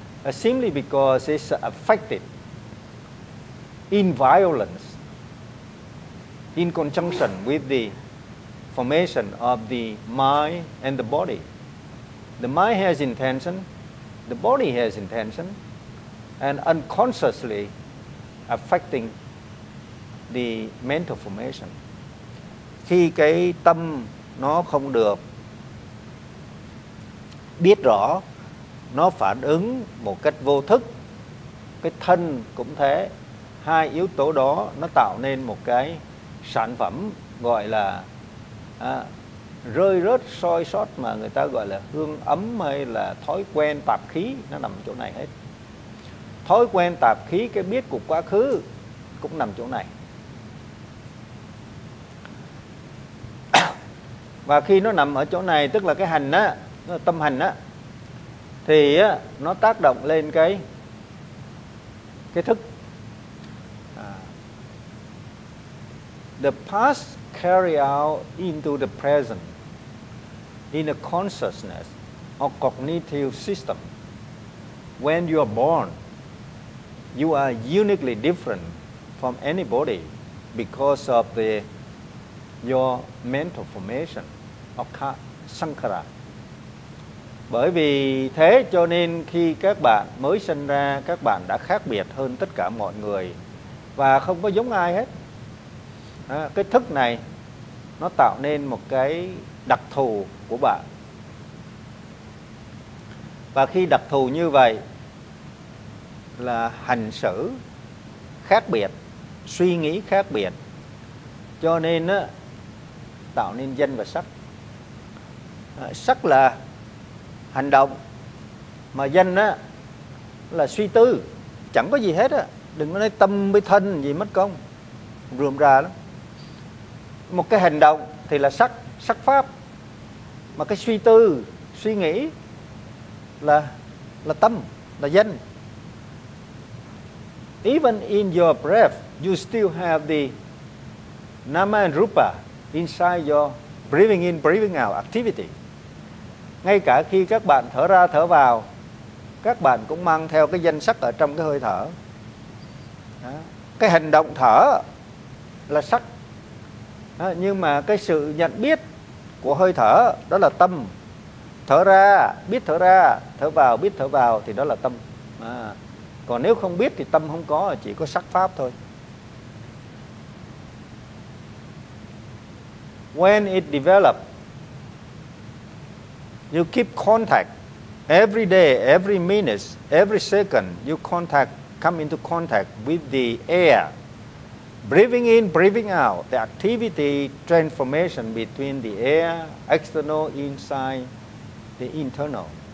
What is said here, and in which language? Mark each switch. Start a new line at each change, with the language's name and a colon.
English: Simply because it's affected in violence, in conjunction with the formation of the mind and the body. The mind has intention, the body has intention, and unconsciously affecting the mental formation.
Vietnamese: Khi cái tâm nó không được biết rõ, nó phản ứng một cách vô thức, cái thân cũng thế. Hai yếu tố đó nó tạo nên một cái sản phẩm gọi là rơi rớt soi sót, mà người ta gọi là hương ấm hay là thói quen tạp khí, nó nằm chỗ này hết. Thói quen tạp khí, cái biết của quá khứ cũng nằm chỗ này. Và khi nó nằm ở chỗ này, tức là cái hành á, tâm hành á, thì nó tác động lên cái thức.
English: The past carry out into the present in a consciousness or cognitive system. When you are born, you are uniquely different from anybody because of the your mental formation of sankhara.
Vietnamese: Bởi vì thế cho nên khi các bạn mới sinh ra, các bạn đã khác biệt hơn tất cả mọi người và không có giống ai hết. À, cái thức này nó tạo nên một cái đặc thù của bạn. Và khi đặc thù như vậy là hành xử khác biệt, suy nghĩ khác biệt, cho nên á, tạo nên danh và sắc. À, sắc là hành động, mà danh á, là suy tư, chẳng có gì hết á. Đừng có nói tâm với thân gì mất công, rườm rà lắm. Một cái hành động thì là sắc, sắc pháp, mà cái suy tư, suy nghĩ là tâm, là danh.
English: Even in your breath, you still have the nama and rupa inside your breathing in, breathing out activity.
Vietnamese: Ngay cả khi các bạn thở ra, thở vào, các bạn cũng mang theo cái danh sắc ở trong cái hơi thở. Đó. Cái hành động thở là sắc. Đó. Nhưng mà cái sự nhận biết của hơi thở, đó là tâm. Thở ra, biết thở ra, thở vào, biết thở vào, thì đó là tâm. À. Còn nếu không biết thì tâm không có, chỉ có sắc pháp thôi.
English: When it develops, you keep contact every day, every minute, every second. You contact, come into contact with the air. Breathing in, breathing out. The activity transformation between the air, external, inside, the internal.